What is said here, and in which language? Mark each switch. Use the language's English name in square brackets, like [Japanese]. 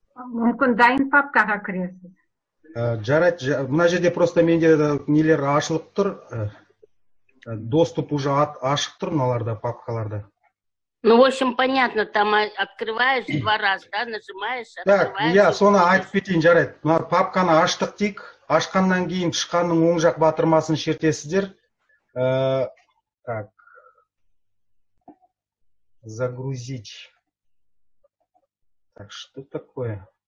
[Kazakh] Мүмкін дайын папкаға кіресіз. Жарайт, мына жерде просто менде нелер ашылып тұр. [Russian] Доступ уже [Kazakh] ашық тұр мыналарда, папкаларда. [Russian] Ну, в общем, понятно, там открываешь два раза, да, нажимаешь, открываешь. Так, [Kazakh] я соны айтып кетейін, жарайт. Мына папканы аштық дейік. Ашқаннан кейін тышқанның оң жақ батырмасын шертесіздер. [Russian] Так. Загрузить. Так, что такое?